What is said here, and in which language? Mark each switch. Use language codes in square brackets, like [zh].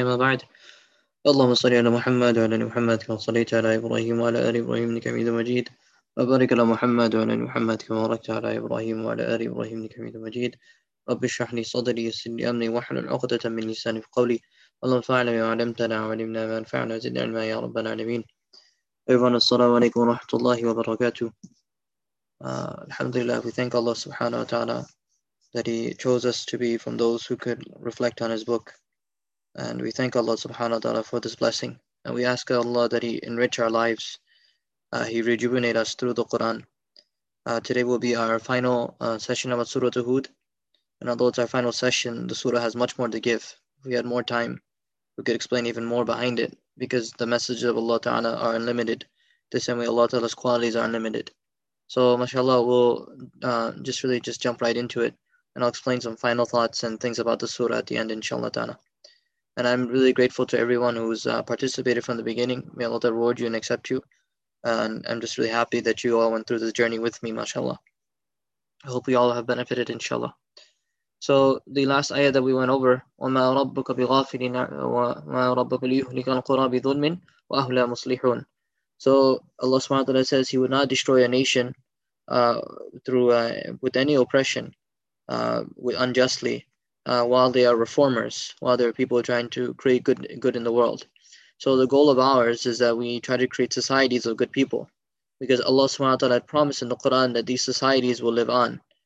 [ar] أما بعد، اللهم صل على محمد وعلى آل محمد كما صليت على إبراهيم وعلى آل إبراهيم إنك حميد مجيد، وبارك على محمد وعلى آل محمد كما باركت على إبراهيم وعلى آل إبراهيم إنك حميد مجيد. رب اشرح لي صدري يسر لي أمري واحلل عقدة من لساني في قولي. اللهم فاعلم ما علمتنا وعلمنا ما ينفعنا وزدنا علما يا رب العالمين. أيضا السلام عليكم ورحمة الله وبركاته. [en] Alhamdulillah, we thank Allah subhanahu wa ta'ala that He chose us to be from those who could reflect on His book. And we thank Allah subhanahu wa ta'ala for this blessing. And we ask Allah that He enrich our lives, He rejuvenate us through the Quran. Today will be our final session about Surah Hud. And although it's our final session, the Surah has much more to give. If we had more time, we could explain even more behind it, because the messages of Allah ta'ala are unlimited. The same way Allah ta'ala's qualities are unlimited. So, mashallah, we'll just jump right into it, and I'll explain some final thoughts and things about the surah at the end, inshallah ta'ala. And I'm really grateful to everyone who's participated from the beginning. May Allah reward you and accept you. And I'm just really happy that you all went through this journey with me, mashallah. I hope we all have benefited, inshallah. So, the last ayah that we went over, [ar] وَمَا رَبُّكَ بِغَافِلٍ وَمَا رَبُّكَ لِيُهْلِكَ الْقُرَى بِظُلْمٍ وَأَهْلَهَا مُصْلِحُونَ. [en] So Allah subhanahu wa ta'ala says He would not destroy a nation with any oppression unjustly while they are reformers, while they are people trying to create good in the world. So the goal of ours is that we try to create societies of good people, because Allah subhanahu wa ta'ala had promised in the Quran that these societies will live on.